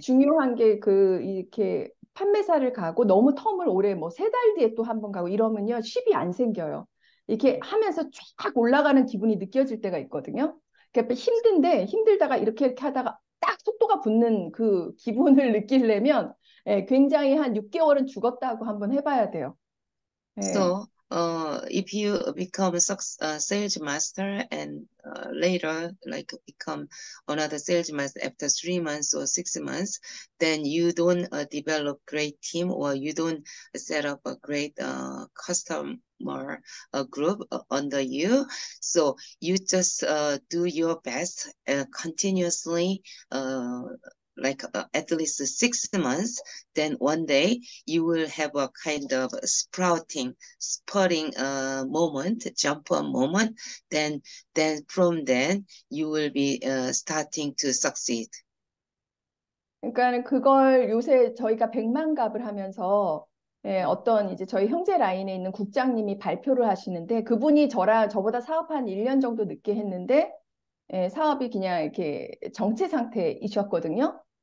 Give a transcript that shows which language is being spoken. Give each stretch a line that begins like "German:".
Korean: 중요한 게 그 이렇게 판매사를 가고 너무 텀을 오래 뭐 세 달 뒤에 또 한 번 가고 이러면요 쉽이 안 생겨요. 이렇게 하면서 쫙 올라가는 기분이 느껴질 때가 있거든요. 그러니까 힘든데 힘들다가 이렇게 하다가 딱 속도가 붙는 그 기분을 느끼려면 예, 굉장히 한 6개월은 죽었다고 한번 해봐야 돼요. 네.
English: So, if you become a sales master and later, like become another sales master after 3 months or 6 months, then you don't develop great team or you don't set up a great customer group under you. So you just do your best continuously. Like at least 6 months, then one day you will have a kind of spotting moment, jump on moment. Then from then you will be starting to succeed.
Korean: 그러니까 그걸 요새 저희가 100만 갑을 하면서 예, 어떤 이제 저희 형제 라인에 있는 국장님이 발표를 하시는데 그분이 저랑 저보다 사업 한 1년 정도 늦게 했는데 예, 사업이 그냥 이렇게 정체 상태이셨거든요.